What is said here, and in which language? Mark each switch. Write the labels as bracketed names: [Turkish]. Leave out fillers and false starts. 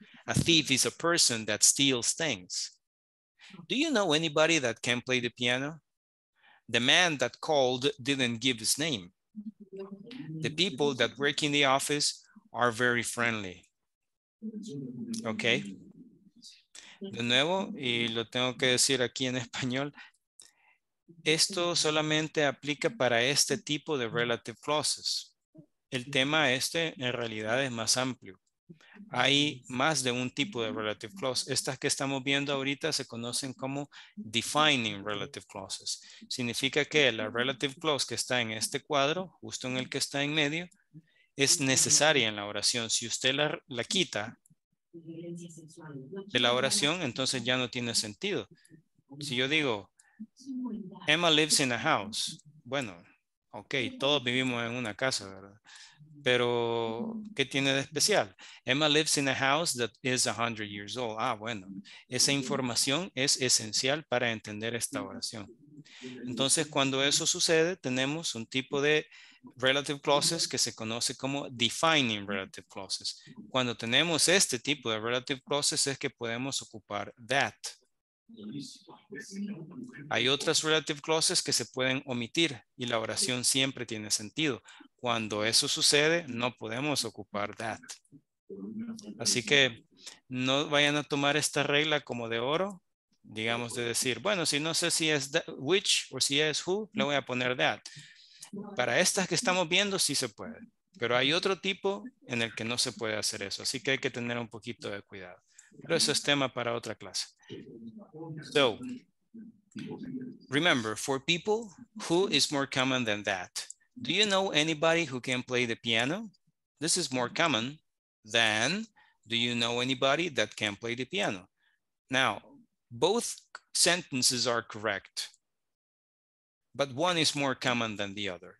[English] A thief is a person that steals things. Do you know anybody that can play the piano? The man that called didn't give his name. The people that work in the office are very friendly. Okay. [Spanish] De nuevo, y lo tengo que decir aquí en español, esto solamente aplica para este tipo de relative clauses. El tema este en realidad es más amplio. Hay más de un tipo de relative clause. Estas que estamos viendo ahorita se conocen como defining relative clauses. Significa que la relative clause que está en este cuadro, justo en el que está en medio, es necesaria en la oración. Si usted la quita de la oración, entonces ya no tiene sentido. Si yo digo, [English] Emma lives in a house. [Spanish] Bueno, ok, todos vivimos en una casa, ¿verdad? Pero, ¿qué tiene de especial? [English] Emma lives in a house that is 100 years old. [Spanish] Ah, bueno, esa información es esencial para entender esta oración. Entonces, cuando eso sucede, tenemos un tipo de relative clauses que se conoce como defining relative clauses. Cuando tenemos este tipo de relative clauses es que podemos ocupar that. Hay otras relative clauses que se pueden omitir y la oración siempre tiene sentido. Cuando eso sucede, no podemos ocupar that. Así que no vayan a tomar esta regla como de oro, digamos, de decir, bueno, si no sé si es that, which o si es who, le voy a poner that. Para estas que estamos viendo, sí se puede. Pero hay otro tipo en el que no se puede hacer eso. Así que hay que tener un poquito de cuidado. Pero eso es tema para otra clase. [English] So, remember, for people, who is more common than that? Do you know anybody who can play the piano? This is more common than, do you know anybody that can play the piano? Now, both sentences are correct, but one is more common than the other.